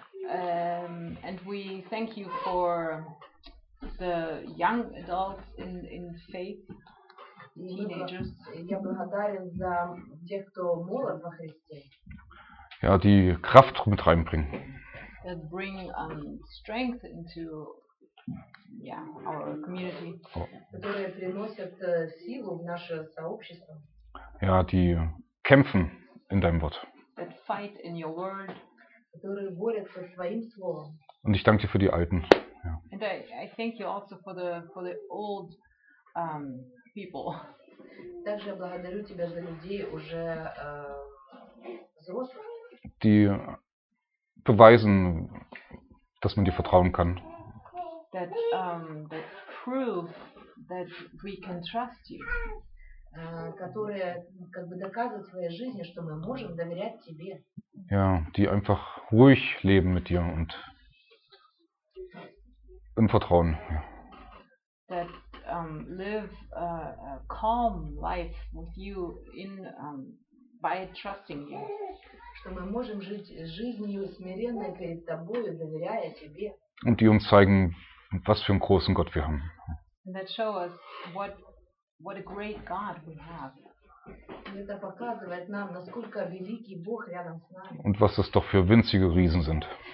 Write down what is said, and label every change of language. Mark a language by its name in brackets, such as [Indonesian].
[English] And we thank you for the young adults in faith, teenagers. [Russian] Я благодарен за тех, кто молод во Христе. [German] Ja, die Kraft mit reinbringen. [English] That bring strength into our community. [Russian] Которые приносят силу в наше сообщество. [German] Ja, die kämpfen in deinem Wort. [English] That fight in your word. [Russian] Которые борются своим словом. [German] Und ich danke dir für die Alten. Ja. [English] And I thank you also for the old people. [Russian] Также благодарю тебя за людей уже взрослых. [German] Die beweisen, dass man dir vertrauen kann. [English] That that prove that we can trust you. [Russian] Которые как бы доказывают в своей жизни, что мы можем доверять тебе. [German] Ja, die einfach ruhig leben mit dir und im Vertrauen. Ja. [English] That live a calm life with you in by trusting you. [Russian] Что мы можем жить жизнью смиренной перед тобою, доверяя тебе. [German] Und die uns zeigen, was für einen großen Gott wir haben. [English] And that show us what a great God we have. [Russian] Это показывает нам, насколько великий Бог рядом с нами. [German] Und was das doch für winzige Riesen sind.